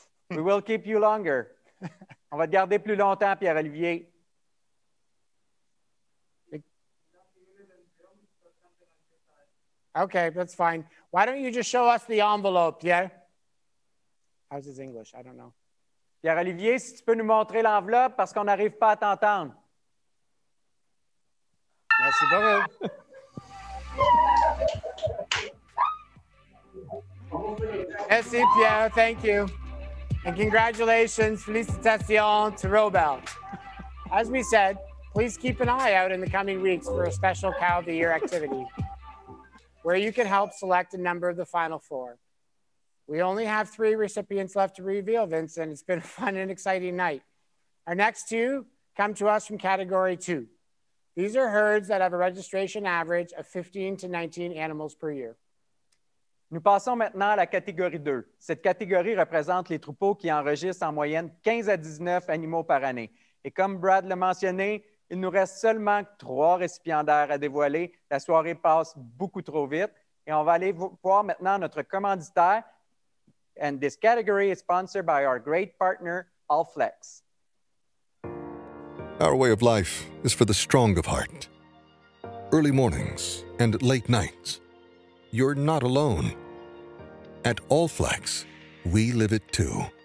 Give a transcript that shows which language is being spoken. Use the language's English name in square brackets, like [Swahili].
[English] We will keep you longer. [French] On va te garder plus longtemps, Pierre-Olivier. [English] Okay, that's fine. Why don't you just show us the envelope, Pierre? How's his English? I don't know. [French] Pierre-Olivier, si tu peux nous montrer l'enveloppe, parce qu'on n'arrive pas à t'entendre. Merci beaucoup. [English] Merci, Pierre. Thank you. And congratulations, félicitations to Robel. As we said, please keep an eye out in the coming weeks for a special Cow of the Year activity, where you can help select a number of the final four. We only have three recipients left to reveal, Vincent. It's been a fun and exciting night. Our next two come to us from category two. These are herds that have a registration average of 15 to 19 animals per year. [French] Nous passons maintenant à la catégorie 2. Cette catégorie représente les troupeaux qui enregistrent en moyenne 15 à 19 animaux par année. Et comme Brad l'a mentionné, il nous reste seulement trois récipiendaires à dévoiler. La soirée passe beaucoup trop vite. Et on va aller voir maintenant notre commanditaire. [English] And this category is sponsored by our great partner, Allflex. Our way of life is for the strong of heart. Early mornings and late nights. You're not alone. At Allflex, we live it too.